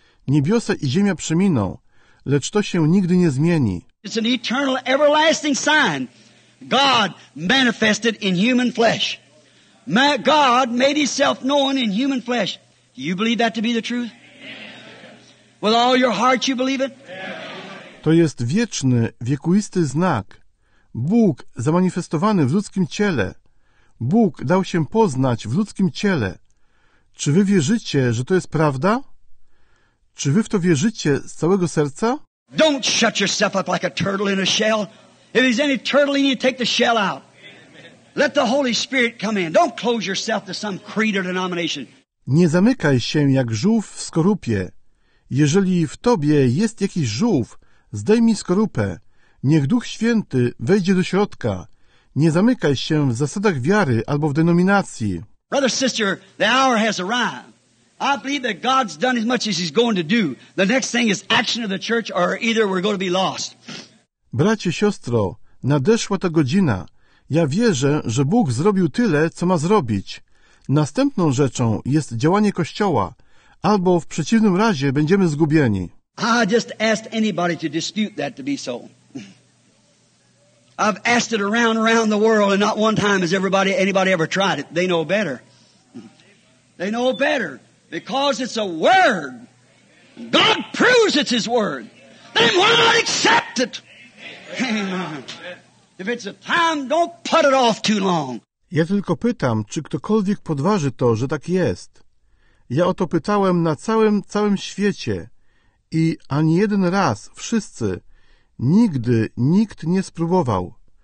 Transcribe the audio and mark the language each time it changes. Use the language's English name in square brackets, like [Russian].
[Polish] Niebiosa i ziemia przeminą, lecz to się nigdy nie zmieni. [English] It's an eternal, everlasting sign. God manifested in human flesh. God made himself known in human flesh. Do you believe that to be the truth? With all your heart you believe it? [Polish] To jest wieczny, wiekuisty znak. Bóg zamanifestowany w ludzkim ciele. Bóg dał się poznać w ludzkim ciele. Czy wy wierzycie, że to jest prawda? Czy wy w to wierzycie z całego serca? [English] Don't shut yourself up like a turtle in a shell. If there's any turtle in you, take the shell out. Let the Holy Spirit come in. Don't close yourself to some creed or denomination. [Polish] Nie zamykaj się jak żółw w skorupie. Jeżeli w tobie jest jakiś żółw, zdejmij skorupę. Niech Duch Święty wejdzie do środka. Nie zamykaj się w zasadach wiary albo w denominacji. [English] Brother, sister, the hour has arrived. I believe that God's done as much as he's going to do. The next thing is action of the church, or either we're going to be lost. [Polish] Bracie, siostro, nadeszła ta godzina. Ja wierzę, że Bóg zrobił tyle, co ma zrobić. Następną rzeczą jest działanie Kościoła, albo w przeciwnym razie będziemy zgubieni. [English] I just asked anybody to dispute that to be so. I've asked it around the world, and not one time has anybody ever tried it. They know better. They know better, because it's a word. God proves it's his word. Then why not accept it? Amen. If it's a time, don't put it off too long. [Polish] Ja tylko pytam, czy ktokolwiek podważy to, że tak jest. Ja o to pytałem na całym świecie i ani jeden raz wszyscy, nigdy nikt nie spróbował.